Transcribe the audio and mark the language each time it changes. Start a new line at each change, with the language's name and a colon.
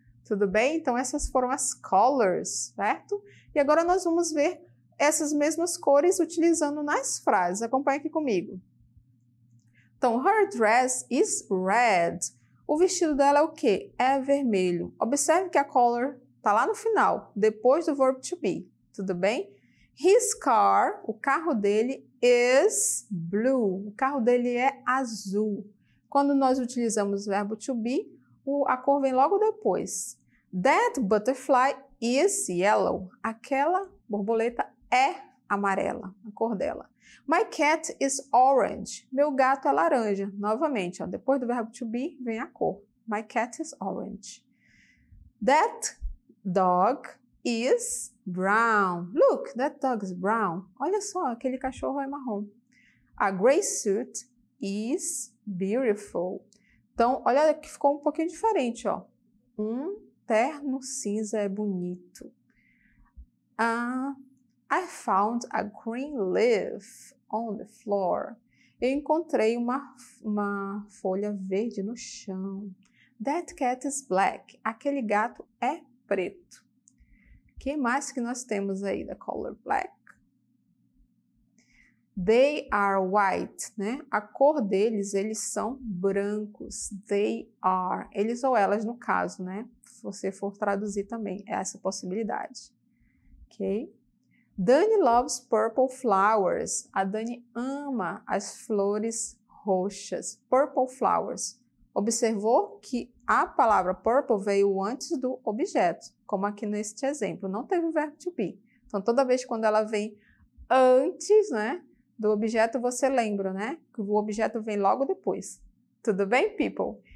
Portuguese: Tudo bem? Então, essas foram as colors, certo? E agora nós vamos ver essas mesmas cores utilizando nas frases. Acompanhe aqui comigo. Então,
English: her dress is red.
Portuguese: O vestido dela é o quê? É vermelho. Observe que a color está lá no final, depois do verb to be. Tudo bem?
English: His car,
Portuguese: o carro dele,
English: is blue.
Portuguese: O carro dele é azul. Quando nós utilizamos o verbo to be, a cor vem logo depois.
English: That butterfly is yellow.
Portuguese: Aquela borboleta é amarela, a cor dela.
English: My cat is orange.
Portuguese: Meu gato é laranja. Novamente, ó, depois do verbo to be, vem a cor.
English: My cat is orange. That dog is brown. Look, that dog is brown.
Portuguese: Olha só, aquele cachorro é marrom.
English: A gray suit is beautiful.
Portuguese: Então, olha que ficou um pouquinho diferente, ó. Um terno cinza é bonito.
English: I found a green leaf on the floor.
Portuguese: Eu encontrei uma folha verde no chão.
English: That cat is black.
Portuguese: Aquele gato é preto. O que mais que nós temos aí da color black?
English: They are white,
Portuguese: né? A cor deles, eles são brancos.
English: They are.
Portuguese: Eles ou elas, no caso, né? Se você for traduzir também, é essa possibilidade. Ok?
English: Dani loves purple flowers.
Portuguese: A Dani ama as flores roxas.
English: Purple flowers.
Portuguese: Observou que a palavra purple veio antes do objeto, como aqui neste exemplo. Não teve o verbo to be. Então, toda vez quando ela vem antes, né, do objeto, você lembra, né? Que o objeto vem logo depois. Tudo bem, people?